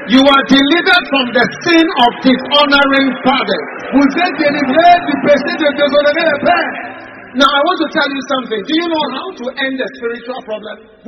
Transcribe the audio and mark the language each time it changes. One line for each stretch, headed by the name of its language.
English: You are delivered from the sin of dishonoring fathers.
French: Vous êtes délivré du péché de déshonorer le Père.
English: Now I want to tell you something. Do you know how to end a spiritual problem?